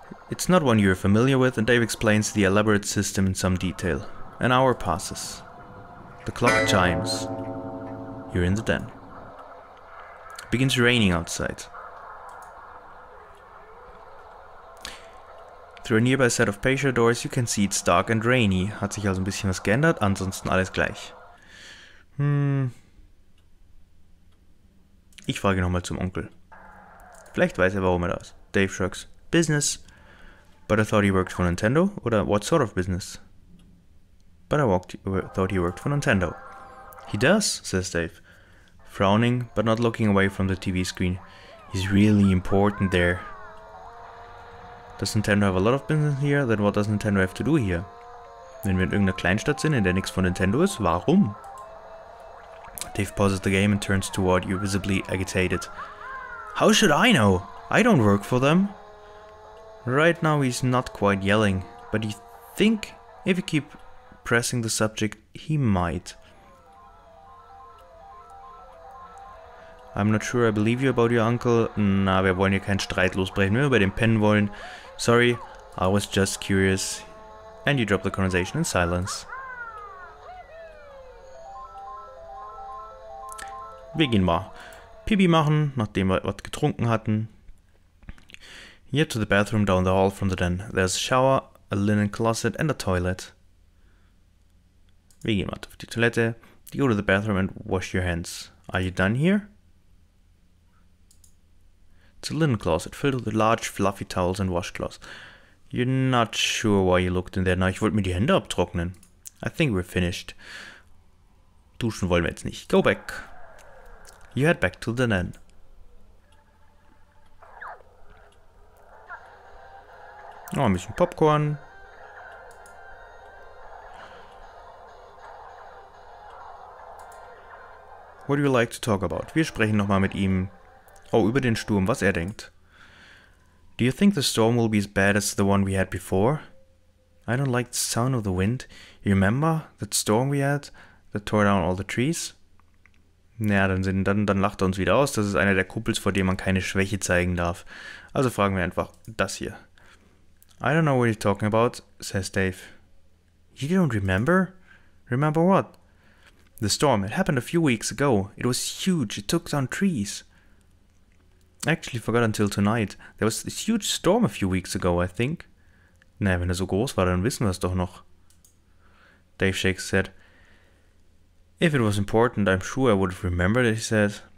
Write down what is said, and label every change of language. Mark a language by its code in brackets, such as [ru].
[en] It's not one you're familiar with, and Dave explains the elaborate system in some detail. An hour passes. The clock chimes. You're in the den. It begins raining outside. Through a nearby set of patio doors, you can see it's dark and rainy. [de] Hat sich also ein bisschen was geändert, ansonsten alles gleich. Ich frage nochmal zum Onkel. Vielleicht weiß er, warum er das. [en] Dave shrugs. Business. But I thought he worked for Nintendo? Oder what sort of business? But I thought he worked for Nintendo. He does, says Dave, frowning but not looking away from the TV screen. He's really important there. Does Nintendo have a lot of business here? Then what does Nintendo have to do here? [de] Wenn wir in irgendeiner Kleinstadt sind, in der nichts von Nintendo ist, warum? [en] Dave pauses the game and turns toward you, visibly agitated. How should I know? I don't work for them. Right now he's not quite yelling, but you think if you keep pressing the subject, he might. I'm not sure I believe you about your uncle. [de] Na, wir wollen hier keinen Streit losbrechen, wenn wir bei dem pennen wollen. [en] Sorry, I was just curious. And you drop the conversation in silence. [de] Wir gehen mal Pipi machen, nachdem wir was getrunken hatten. [en] Here to the bathroom down the hall from the den. There's a shower, a linen closet and a toilet. [de] Wir gehen mal auf die Toilette. [en] Go to the bathroom and wash your hands. Are you done here? It's a linen closet filled with large fluffy towels and washcloths. You're not sure why you looked in there. Now, [de] ich wollte mir die Hände abtrocknen. [en] I think we're finished. [de] Duschen wollen wir jetzt nicht. [en] Go back. You head back to the den. [de] Oh, ein bisschen Popcorn. [en] What do you like to talk about? [de] Wir sprechen nochmal mit ihm. Oh, über den Sturm, was er denkt. [en] Do you think the storm will be as bad as the one we had before? I don't like the sound of the wind. You remember that storm we had that tore down all the trees? [de] Naja, dann lacht er uns wieder aus. Das ist einer der Kumpels, vor dem man keine Schwäche zeigen darf. Also fragen wir einfach das hier. [en] I don't know what you're talking about, says Dave. You don't remember? Remember what? The storm. It happened a few weeks ago. It was huge. It took down trees. I actually forgot until tonight. There was this huge storm a few weeks ago, I think. [de] Naja, wenn er so groß war, dann wissen wir es doch noch. [en] Dave shakes his head. If it was important, I'm sure I would have remembered it, he says.